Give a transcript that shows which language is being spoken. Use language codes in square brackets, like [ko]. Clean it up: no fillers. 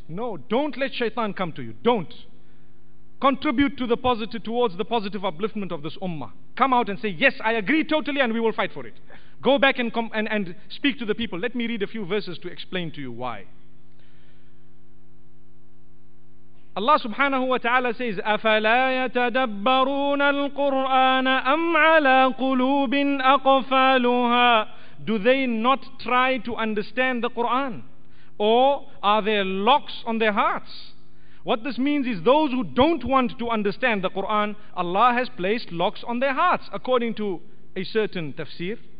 [en] No, don't let shaitan come to you. Don't. Contribute to the positive, towards the positive upliftment of this ummah. Come out and say, yes, I agree totally, and we will fight for it. Go back and speak to the people. Let me read a few verses to explain to you why. Allah subhanahu wa ta'ala says, [ar] أَفَلَا يَتَدَبَّرُونَ الْقُرْآنَ أَمْ عَلَىٰ قُلُوبٍ أَقْفَالُهَا. [en] Do they not try to understand the Quran? Or are there locks on their hearts? What this means is those who don't want to understand the Quran, Allah has placed locks on their hearts, according to a certain tafsir.